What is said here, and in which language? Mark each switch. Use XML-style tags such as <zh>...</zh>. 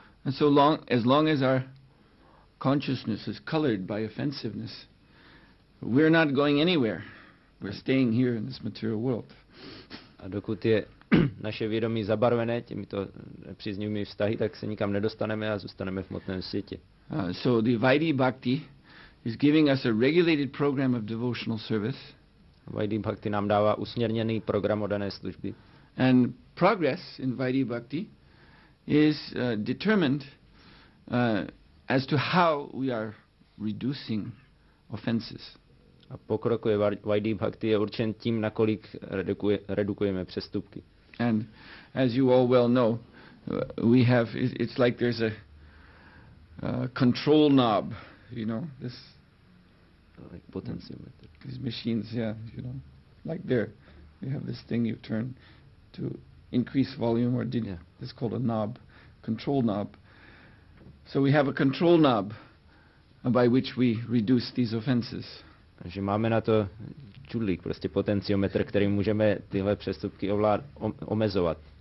<en>And so long, as long as our consciousness is colored by offensiveness, we're not going anywhere. We're staying here in this material world.</en> <cs>A dokud je naše vědomí zabarvené těmito nepříznivými vztahy, tak se nikam nedostaneme a zůstaneme v hmotném světě.</cs> <en>So the Vaidhi Bhakti is giving us a regulated program of devotional service.</en> <cs>Vaidhi Bhakti nám dává usměrněný program oddané služby.</cs> <en>And progress in Vaidhi Bhakti is determined as to how we are reducing offenses.</en> <cs>A pokrok ve Vaidhi Bhakti je určen tím, nakolik redukujeme přestupky.</cs> <en>And as you all well know, we have, it's like there's a control knob, you know, this, like potentiometer, these machines, yeah, you know, like there, you have this thing you turn to increase volume or it's called a knob, control knob. So we have a control knob by which we reduce these offenses.</en> <cs>Takže máme na to čudlík, prostě potenciometr, kterým můžeme tyhle přestupky omezovat.</cs>